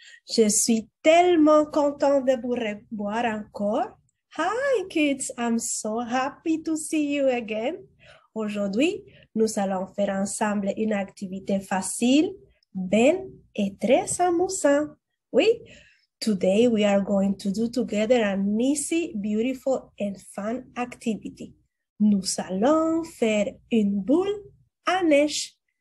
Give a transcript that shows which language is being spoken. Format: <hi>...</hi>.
<fr>Je suis tellement contente de vous revoir encore.</fr> <en>Hi kids, I'm so happy to see you again.</en> <fr>Aujourd'hui, nous allons faire ensemble une activité facile, belle et très amusante.</fr> <en>Oui, today we are going to do together an easy, beautiful and fun activity.</en> <fr>Nous allons faire une boule à neige.</fr>